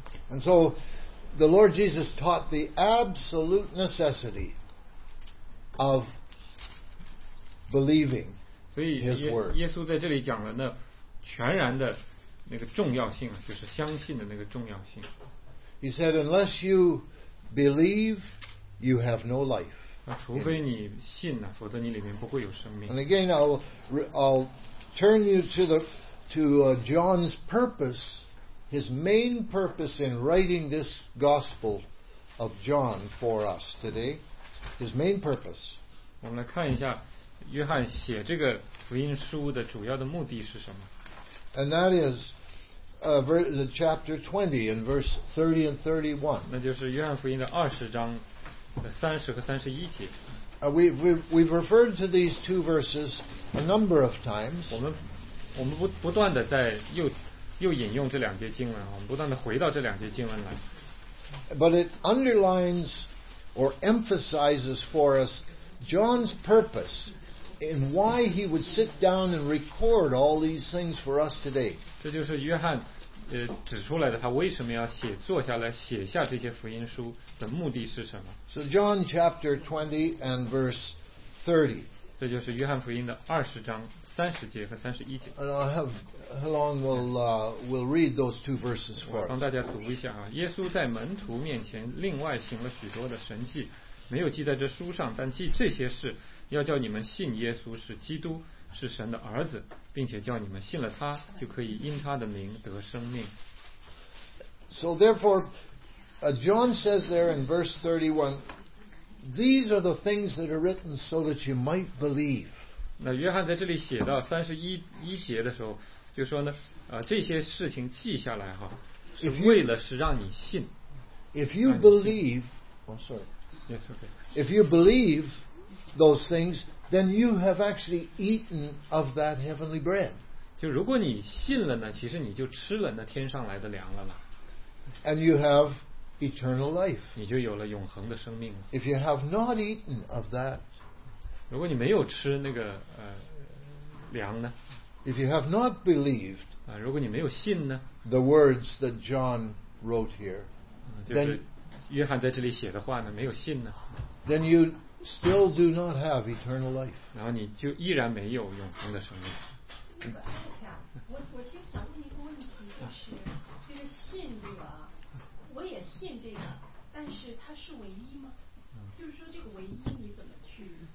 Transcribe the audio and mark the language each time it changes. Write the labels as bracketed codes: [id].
[en] And so, the Lord Jesus taught the absolute necessity of. Believing his word. [zh] 耶稣在这里讲了那全然的那个重要性，就是相信的那个重要性。 [en] He said, "Unless you believe, you have no life." [zh] 那除非你信呢，否则你里面不会有生命。 [en] And again, I'll turn you to John's purpose, his main purpose in writing this Gospel of John for us today. His main purpose. [zh] 我们来看一下。约翰写这个福音书的主要的目的是什么 [en] And that is chapter 20 in verse 30 and 31. [zh] 那就是约翰福音的二十章的三十和三十一节。 [en] We've referred to these two verses a number of times. [zh] 我们不断的在又引用这两节经文，我们不断的回到这两节经文来。 [en] But it underlines or emphasizes for us John's purpose. And why he would sit down and record all these things for us today. [zh] 这就是约翰指出来的，他为什么要写坐下来写下这些福音书的目的是什么 [en] ？So John chapter 20 and verse 30. [zh] 这就是约翰福音的二十章三十节和三十一节。 [en] And I have, how long will read those two verses for us? [zh] 帮大家读一下啊。耶稣在门徒面前另外行了许多的神迹，没有记在这书上，但记这些事，要叫你们信耶稣是基督，是神的儿子，并且叫你们信了他，就可以因他的名得生命。 [en] So therefore, John says there in verse 31, these are the things that are written so that you might believe. [zh] 那约翰在这里写到三十一节的时候，就说呢，这些事情记下来哈，是为了是让你信。 [en] If you believe, oh sorry, yes okay. If you believe those things, then you have actually eaten of that heavenly bread. [zh] 就如果你信了呢，其实你就吃了那天上来的粮了啦。 [en] And you have eternal life. [zh] 你就有了永恒的生命。 [en] If you have not eaten of that, [zh] 如果你没有吃那个粮呢 [en] ？If you have not believed, [zh] 啊，如果你没有信呢 [en] ？The words that John wrote here, [zh] 就是约翰在这里写的话呢，没有信呢 [en] ？Then you still do not have eternal life. [zh] 然后你就依然没有永恒的生命。我其实想问一个问题，就是这个信这个，我也信这个，但是它是唯一吗？就是说这个唯一你怎么去？